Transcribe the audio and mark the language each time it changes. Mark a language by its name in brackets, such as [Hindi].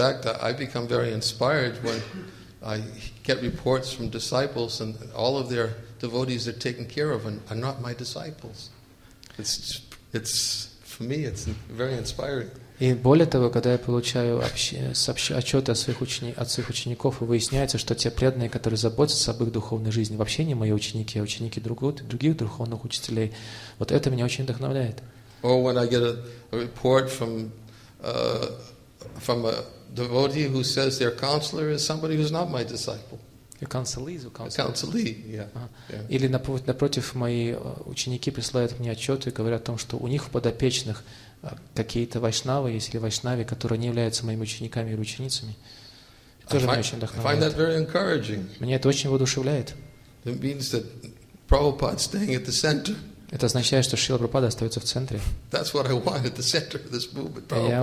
[English] In fact, I become very inspired when I get reports from disciples and all of their devotees are taken care of and are not my disciples. It's for me, it's very inspiring. [Russian] И более того, когда я получаю отчеты от своих учеников, и выясняется, что те преданные, которые заботятся об их духовной жизни, вообще не мои ученики, а ученики других духовных учителей, вот это меня очень вдохновляет. [English] Or when I get a report from a devotee who says their counselor is somebody who's not my disciple. A counselee, yeah. [Russian] Или напротив, мои ученики присылают мне отчеты и говорят о том, что у них в подопечных какие-то вайшнавы, если вайшнавы, которые не являются моими учениками или ученицами. Тоже меня очень вдохновляет. [English] I find that very encouraging. [Russian] Меня это очень воодушевляет. [English] It means that Prabhupada's staying at the center. [Russian] Это означает, что Шрила Прабхупада остается в центре. [English] That's what I want, at the center of this movement, Prabhupada.